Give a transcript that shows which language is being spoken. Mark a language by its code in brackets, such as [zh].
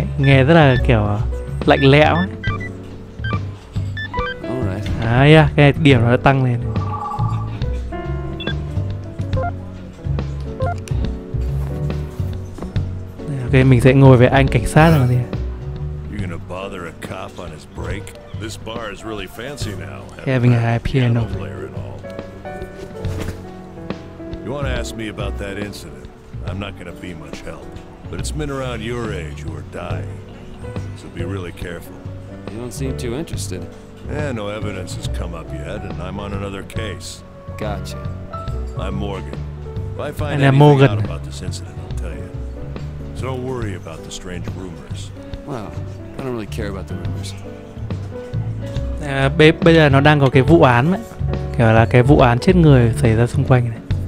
[vi] Nghe rất là kiểu lạnh lẽo ấy. À yeah, cái điểm nó đã tăng lên. Ok, mình sẽ ngồi với anh cảnh sát rồi. [en] You gonna bother a cop on his break? This bar is really fancy now. Having a high piano player and all. You wanna ask me about that incident? I'm not gonna be much help. But it's men around your age who are dying. So be really careful. You don't seem too interested. Eh, no evidence has come up yet, and I'm on another case. Gotcha. I'm Morgan. If I find anything out about this incident, I'll tell you. So don't worry about the strange rumors. Well, I don't really care about the rumors. [vi] Bây giờ nó đang có cái vụ án ấy. Kiểu là cái vụ án chết người xảy ra xung quanh này.